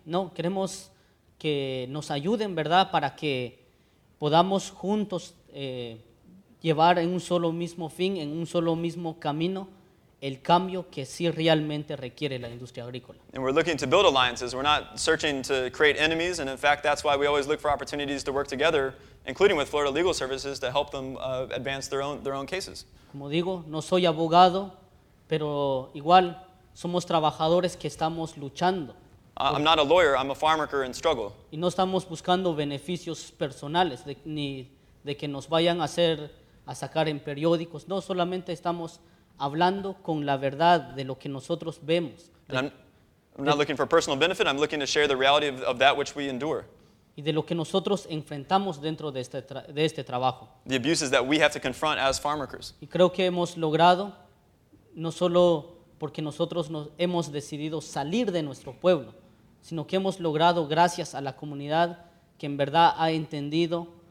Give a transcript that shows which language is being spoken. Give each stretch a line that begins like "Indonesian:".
Spanish: No, queremos que nos ayuden, ¿verdad?, para que podamos juntos llevar en un solo mismo fin, en un solo mismo camino, el cambio que sí realmente requiere la industria agrícola.
English: And we're looking to build alliances. We're not searching to create enemies, and in fact, that's why we always look for opportunities to work together, including with Florida Legal Services, to help them advance their own cases.
Spanish: Como digo, no soy abogado, pero igual somos trabajadores que estamos luchando.
English: I'm not a lawyer. I'm a farm worker in struggle.
Spanish: Y no estamos buscando beneficios personales, ni de que nos vayan a hacer a sacar en periódicos. No, solamente estamos hablando con la verdad de lo que nosotros vemos.
English: I'm not looking for personal benefit. I'm looking to share the reality of that which we endure.
Spanish: Y de lo que nosotros enfrentamos dentro de este trabajo.
English: The abuses that we have to confront as farm workers.
Spanish: Y creo que hemos logrado, no solo porque nosotros hemos decidido salir de nuestro pueblo, sino que hemos logrado gracias a la comunidad que en verdad ha entendido